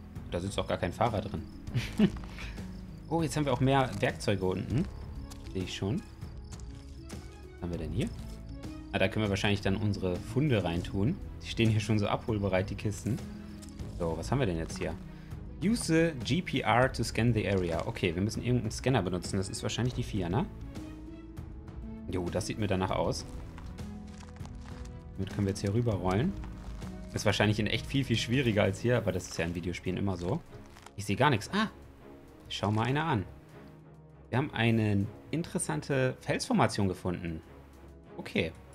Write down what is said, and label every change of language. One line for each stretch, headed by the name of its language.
German: Da sitzt auch gar kein Fahrer drin. Oh, jetzt haben wir auch mehr Werkzeuge unten. Sehe ich schon. Was haben wir denn hier? Ah, da können wir wahrscheinlich dann unsere Funde reintun. Die stehen hier schon so abholbereit, die Kisten. So, was haben wir denn jetzt hier?
English: Use the GPR to scan the area.
German: Okay, wir müssen irgendeinen Scanner benutzen. Das ist wahrscheinlich die 4, ne? Jo, das sieht mir danach aus. Damit können wir jetzt hier rüberrollen. Das ist wahrscheinlich in echt viel, viel schwieriger als hier, aber das ist ja in Videospielen immer so. Ich sehe gar nichts. Ah, schau mal einer an. Wir haben eine interessante Felsformation gefunden. Okay.